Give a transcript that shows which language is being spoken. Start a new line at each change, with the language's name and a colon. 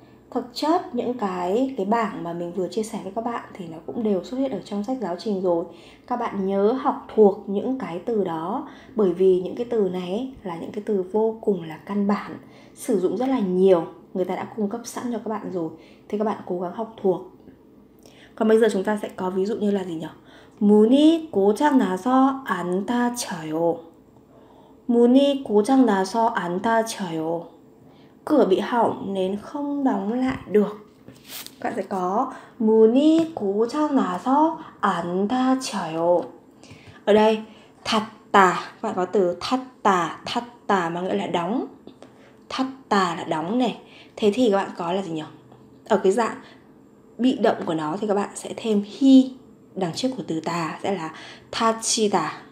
Vietnamese: Thực chất những cái bảng mà mình vừa chia sẻ với các bạn thì nó cũng đều xuất hiện ở trong sách giáo trình rồi. Các bạn nhớ học thuộc những cái từ đó, bởi vì những cái từ này là những cái từ vô cùng là căn bản, sử dụng rất là nhiều, người ta đã cung cấp sẵn cho các bạn rồi, thì các bạn cố gắng học thuộc. Còn bây giờ chúng ta sẽ có ví dụ như là gì nhỉ?
Korean: 문이 고장 나서 안 닫혀요. 문이 고장 나서 안 닫혀요.
Vietnamese: Cửa bị hỏng nên không đóng lại được. Các bạn sẽ có 문이 고장 나서 안 닫혀요. Ở đây 닫다, các bạn có từ 닫다, 닫다 mà nghĩa là đóng. 닫다 là đóng này. Thế thì các bạn có là gì nhỉ? Ở cái dạng bị động của nó thì các bạn sẽ thêm 히 đằng trước của từ 다, sẽ là 닫히다.